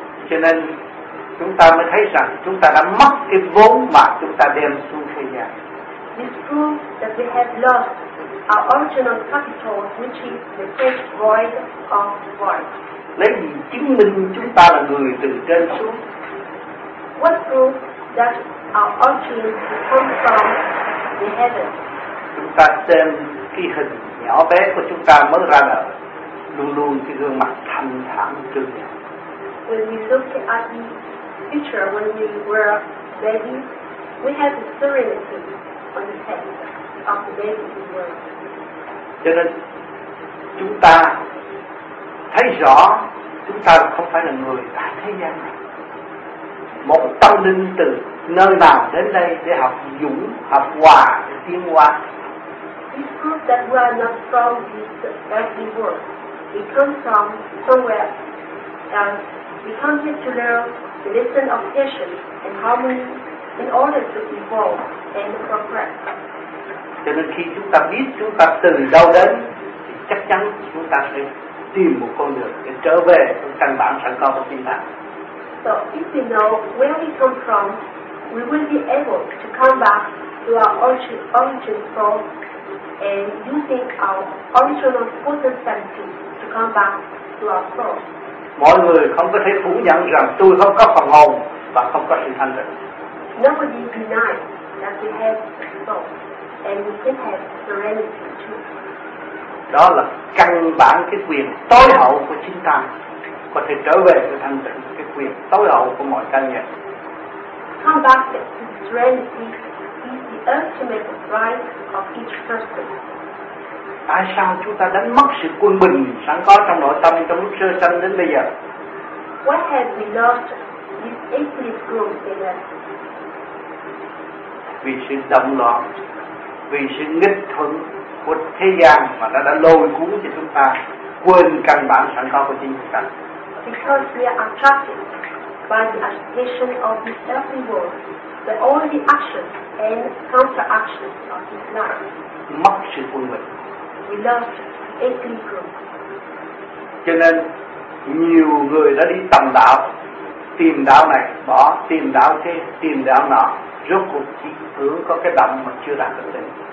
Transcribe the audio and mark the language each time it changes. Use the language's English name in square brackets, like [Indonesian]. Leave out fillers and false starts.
[Vietnamese] Cho nên chúng ta mới thấy rằng chúng ta đã mất cái vốn mà chúng ta đem xuống thế gian. [English] This proves that we have lost our original capital, which is the great void of void. [Vietnamese] Lấy gì chứng minh chúng ta là người từ trên xuống? [English] What proves that our origin comes from the heaven? [Vietnamese] Chúng ta xem cái hình nhỏ bé của chúng ta mới ra đời, luôn luôn cái gương mặt thanh thản tươi. [English] When we look at the picture when we were baby, we have a serenity on the face of the baby we were. [Vietnamese] Cho nên chúng ta thấy rõ chúng ta không phải là người tại thế gian này. Một tâm linh từ nơi nào đến đây để học dũng, học hòa, để tiến hóa. [English] It's proof that we are not from this earthly world. We come from somewhere, and we come here to learn the lesson of patience and harmony in order to evolve and progress. [Vietnamese] Cho nên khi chúng ta biết chúng ta từ đâu đến, thì chắc chắn chúng ta sẽ tìm một con đường để trở về với căn bản sẵn có của chúng ta. [English] So if we know where we come from, we will be able to come back to our origin soul and using our original potentiality to come back to our soul. [Vietnamese] Mọi người không có thể phủ nhận rằng tôi không có phần hồn và không có sinh thành được. [English] Nobody denies that we have soul. And we can have serenity too. [Vietnamese] Đó là căn bản cái quyền tối hậu của chính ta có thể trở về với thanh tịnh, cái quyền tối hậu của mọi căn nhân. [English] Come back to serenity is the ultimate right of each person. [Vietnamese] Tại sao chúng ta đánh mất sự quân bình sẵn có trong nội tâm trong lúc sơ sanh đến bây giờ? [English] Why have we lost this infinite growth in us? [Vietnamese] Vì sự động loạn, vì sự nghịch thuận của thế gian mà nó đã lôi cuốn cho chúng ta quên căn bản sẵn có của chính chúng ta. [English] Because we are attracted by the agitation of this earthly world, the all the actions and counteractions of this life. [Vietnamese] Mất sự quân bình. [English] We lost earthly growth. [Vietnamese] Cho nên nhiều người đã đi tầm đạo, tìm đạo này bỏ, tìm đạo kia, tìm đạo nọ. Rốt cuộc chỉ tưởng có cái động mà chưa đạt được tỉnh.